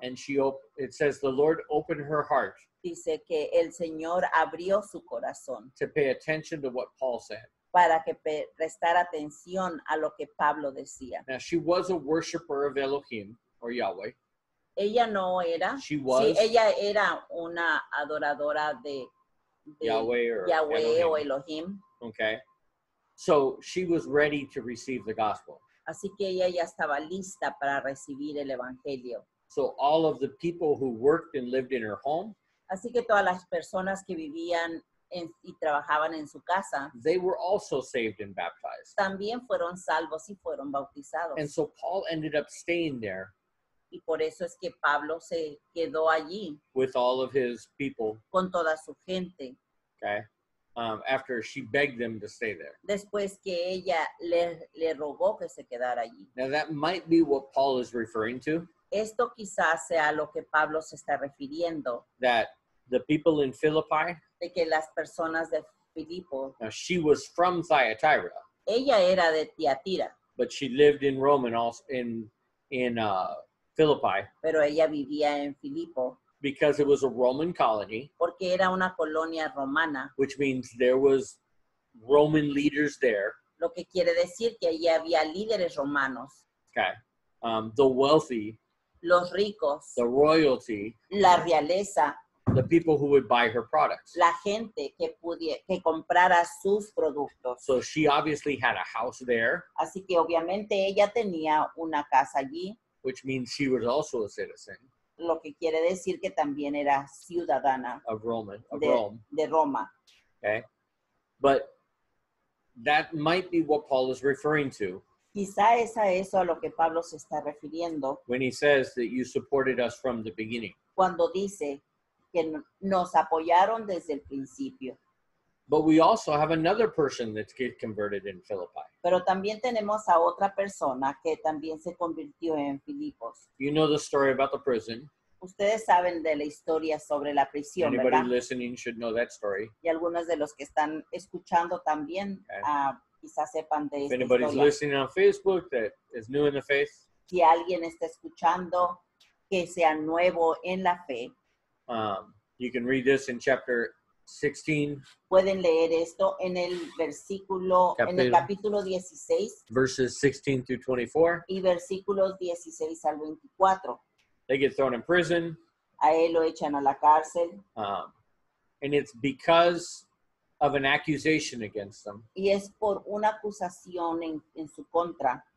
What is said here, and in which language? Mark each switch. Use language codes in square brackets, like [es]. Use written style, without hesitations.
[en] And it says the Lord opened her heart. [es] Dice que el Señor abrió su corazón. [en] To pay attention to what Paul said. [es] Para que prestara atención a lo que Pablo decía. [en] Now she was a worshiper of Elohim, or Yahweh. [es] Ella no era. [en] She was. [es] Sí, ella era una adoradora de [en] Yahweh, or [es] Yahweh [en] Elohim. [es] O Elohim. [en] Okay. So she was ready to receive the gospel. [es] Así que ella ya estaba lista para recibir el evangelio. [en] So all of the people who worked and lived in her home. [es] Así que todas las personas que vivían en, y trabajaban en su casa. [en] They were also saved and baptized. [es] También fueron salvos y fueron bautizados. [en] And so Paul ended up staying there. [es] Y por eso es que Pablo se quedó allí. [en] With all of his people. [es] Con toda su gente. [en] Okay. After she begged them to stay there. [es] Después que ella le rogó que se quedara allí. [en] Now that might be what Paul is referring to. [es] Esto quizás sea lo que Pablo se está refiriendo. [en] That the people in Philippi. [es] De que las personas de Filipo. [en] Now she was from Thyatira. [es] Ella era de Tiatira. [en] But she lived in Rome and also in Philippi. [es] Pero ella vivía en Filipo. [en] Because it was a Roman colony. [es] Porque era una colonia romana. [en] Which means there was Roman leaders there. [es] Lo que quiere decir que allí había líderes romanos. [en] Okay. The wealthy. [es] Los ricos. [en] The royalty. [es] La realeza. [en] The people who would buy her products. [es] La gente que que comprara sus productos. [en] So she obviously had a house there. [es] Así que obviamente ella tenía una casa allí. [en] Which means she was also a citizen. [es] Lo que quiere decir que también era ciudadana [en] of Roman, [es] Rome. De Roma. [en] Okay. But that might be what Paul is referring to. [es] Quizá es a eso a lo que Pablo se está refiriendo. [en] When he says that you supported us from the beginning. [es] Cuando dice que nos apoyaron desde el principio. [en] But we also have another person that's get converted in Philippi. [es] Pero también tenemos a otra persona que también se convirtió en Filipos. [en] You know the story about the prison. [es] Ustedes saben de la historia sobre la prisión, [en] anybody [es] ¿verdad? [en] Anybody listening should know that story. [es] Y algunos de los que están escuchando también okay. Quizás sepan de [en] If [es] esta [en] anybody's [es] historia. [en] Listening on Facebook that is new in the faith. [es] Si alguien está escuchando que sea nuevo en la fe. [en] You can read this in chapter 16. [es] Pueden leer esto en el versículo, en el capítulo 16. [en] Verses 16 through 24. [es] Y versículos 16 al 24. [en] They get thrown in prison. [es] A él lo echan a la cárcel. [en] And it's because of an accusation against them. [es] Y es por una acusación en su contra.